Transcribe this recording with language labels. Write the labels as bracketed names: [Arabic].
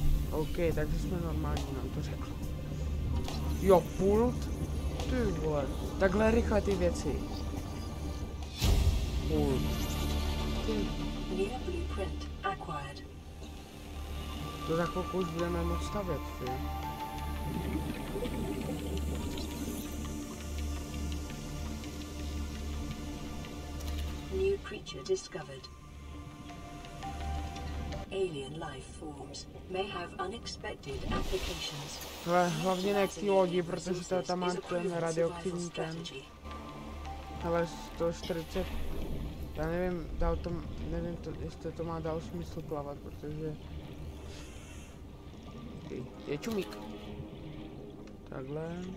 [Czech] OK, takže jsme normální, nám to řekl. Jo, pult. Ty vole, takhle rychle ty věci. Pult. [English] Near blueprint acquired. [Czech] To za chvilku už budeme moc stavět, ty. [English] New creature discovered. Alien life forms may have unexpected applications. [Czech] Hlavně ne k tý lodi, protože to tam má ten radioaktivní ten. Ale 140... Já nevím, dal to, nevím to, jestli to má dál smysl plavat, protože... Je čumík. Takhle.